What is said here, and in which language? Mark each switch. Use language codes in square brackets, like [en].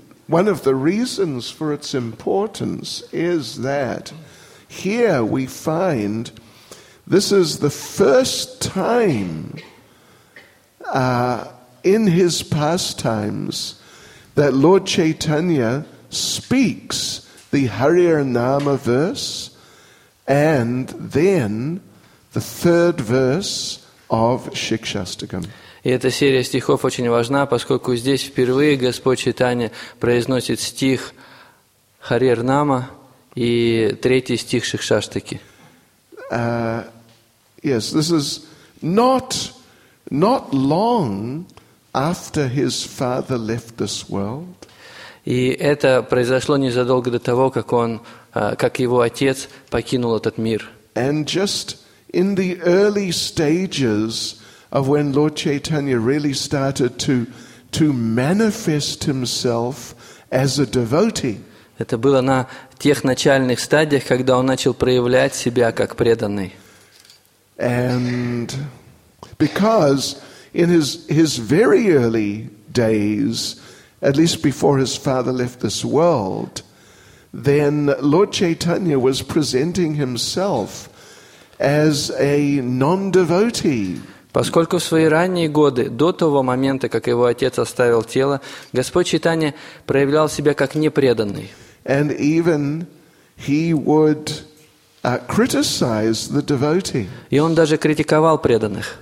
[en] One of the reasons for its importance is that here we find this is the first time in his pastimes that Lord Chaitanya speaks the Hariya Nama verse and then the third verse of Shikshastakam. [ru] И эта серия стихов очень важна, поскольку здесь впервые Господь Чайтанья произносит стих Хариер Нама и третий стих Шикшаштаки. [en] Yes, this is not long after his father left this world. [ru] И это произошло незадолго до того, как его отец покинул этот мир. [en] And just in the early stages of when Lord Chaitanya really started to manifest himself as a devotee. [ru] Это было на тех начальных стадиях, когда он начал проявлять себя как преданный. [en] And because in his very early days, at least before his father left this world, then Lord Chaitanya was presenting himself as a non-devotee. [ru] Поскольку в свои ранние годы, до того момента, как его отец оставил тело, Господь Чайтанья проявлял себя как непреданный. [en] And even he would criticize the devotee. [ru] И он даже критиковал преданных.